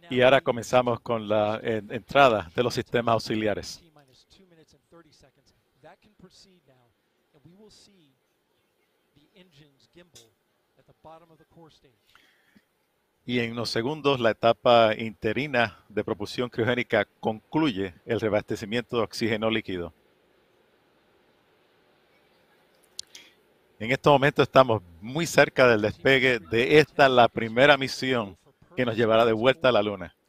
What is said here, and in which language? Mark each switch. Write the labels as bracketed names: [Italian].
[Spanish] Y ahora comenzamos con la entrada de los sistemas auxiliares. [English] T-minus 2 minutes and 30 seconds. That can proceed now. And we will see the engine's gimbal at the bottom of the core stage. [Spanish] Y en unos segundos, la etapa interina de propulsión criogénica concluye el reabastecimiento de oxígeno líquido. En este momento estamos muy cerca del despegue de esta, la primera misión que nos llevará de vuelta a la Luna.